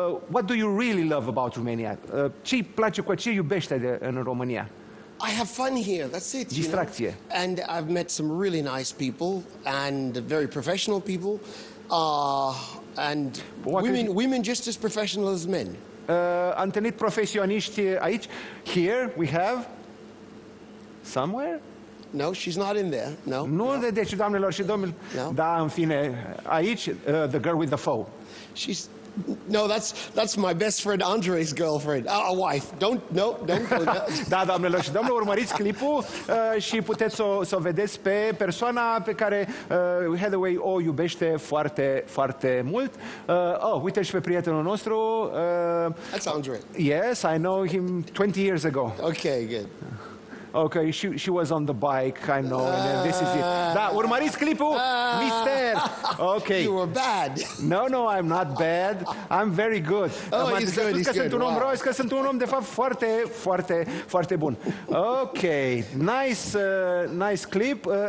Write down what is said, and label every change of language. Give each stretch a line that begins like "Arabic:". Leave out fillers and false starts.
English: What do you really love about Romania?
Romanian: Ce îți place, ce iubește în România?
English: I have fun here. That's it.
Romanian: Distracție.
English: You know? And I've met some really nice people and very professional people. And women just as professional as men.
Romanian: Am întâlnit profesioniști aici.
English: Here we have somewhere. No, she's not in there. No.
Romanian: Nu
English: no.
Romanian: De deci, doamnelor și domnilor.
English: No.
Romanian: Da, în fine, aici
English: the girl with the foe. She's no, that's my best friend Andre's girlfriend. A wife. Don't.
Romanian: Da, doamnelor și domnilor, urmăriți clipul și puteți să o vedeți pe persoana pe care Hathaway o iubește foarte, foarte mult. Uite și pe prietenul nostru.
English: That's Andre. Yes, I know him 20 years ago. Okay, good. Okay, she was on the bike, I know, and then this is it.
Romanian: Da, urmăriți clipul, mister!
English: Okay. You were bad. No, I'm not bad. I'm very good. Oh, he's good.
Romanian: Că sunt un om, de fapt, foarte, foarte, foarte bun.
English: Okay, nice clip.